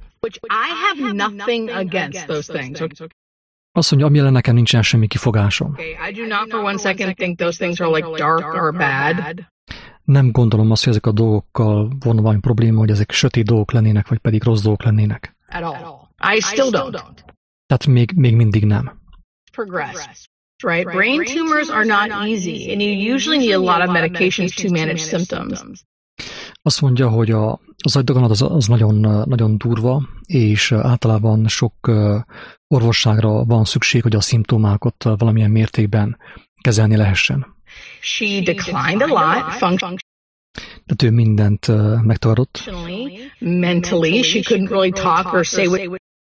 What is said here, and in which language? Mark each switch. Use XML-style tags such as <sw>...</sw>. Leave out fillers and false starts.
<en>Which I have nothing against those things. Okay.</en> <hu>Azt mondja, amilyen nekem nincsen semmi kifogásom.</hu> <en>Okay. I do not for one second think those things are like dark or bad.</en> <hu>Nem gondolom azt, hogy ezek a dolgokkal van valami probléma, hogy ezek sötét dolgok lennének, vagy pedig rossz dolgok lennének.</hu> <en>At all. I still don't.</en> <hu>Tehát még mindig nem.</hu> <en>Progress. Right? Brain tumors are not easy, and you usually need a lot of medications to manage symptoms.</en> <hu>Azt mondja, hogy az agydaganat az nagyon, nagyon durva, és általában sok orvosságra van szükség, hogy a szimptomákat valamilyen mértékben kezelni lehessen.</hu> <en>She declined a lot.</en> <hu>Tehát ő mindent megtagadott.</hu> <en>Mentally, she couldn't really talk or say what...</en>